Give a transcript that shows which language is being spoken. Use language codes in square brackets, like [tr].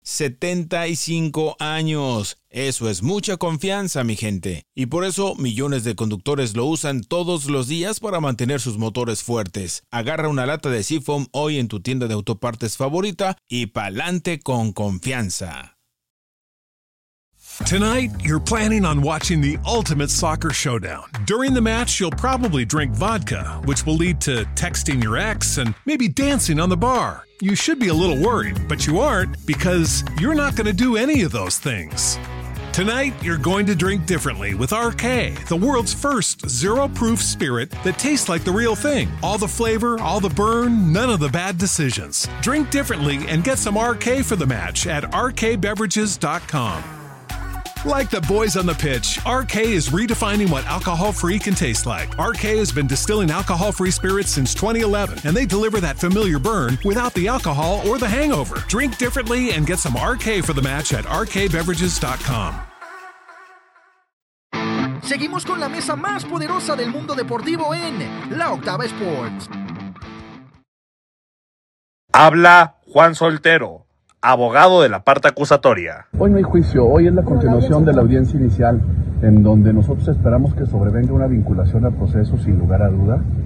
[es] ¡75 años! Eso es mucha confianza, mi gente. Y por eso, millones de conductores lo usan todos los días para mantener sus motores fuertes. Agarra una lata de Seafoam hoy en tu tienda de autopartes favorita y pa'lante con confianza. [en] Tonight, you're planning on watching the ultimate soccer showdown. During the match, you'll probably drink vodka, which will lead to texting your ex and maybe dancing on the bar. You should be a little worried, but you aren't, because you're not going to do any of those things. Tonight, you're going to drink differently with RK, the world's first zero-proof spirit that tastes like the real thing. All the flavor, all the burn, none of the bad decisions. Drink differently and get some RK for the match at rkbeverages.com. Like the boys on the pitch, RK is redefining what alcohol-free can taste like. RK has been distilling alcohol-free spirits since 2011, and they deliver that familiar burn without the alcohol or the hangover. Drink differently and get some RK for the match at rkbeverages.com. [es] Seguimos con la mesa más poderosa del mundo deportivo en La Octava Sports. Habla Juan Soltero, abogado de la parte acusatoria. Hoy no hay juicio, hoy es la continuación de la audiencia inicial, en donde nosotros esperamos que sobrevenga una vinculación al proceso sin lugar a duda.